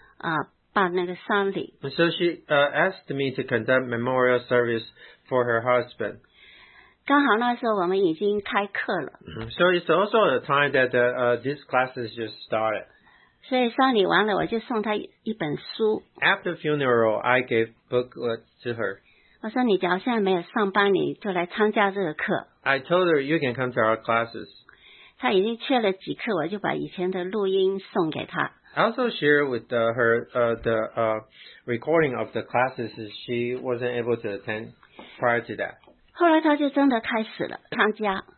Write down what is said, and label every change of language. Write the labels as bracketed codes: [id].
[zh] 那么那时候就要求我说帮他先生办那个丧礼。 [en] So she asked me to conduct memorial service for her husband. [zh] 刚好那时候我们已经开课了。 [en] So it's also the time that this class has just started. [zh] 所以丧礼完了，我就送她一本书。 [en] After funeral, I gave booklet to her. [zh] 我说你假如现在没有上班，你就来参加这个课。 [en] I told her you can come to our classes. [zh] 她已经去了几课，我就把以前的录音送给她。 [en] I also shared with her recording of the classes she wasn't able to attend prior to that. [zh] 后来她就真的开始了参加。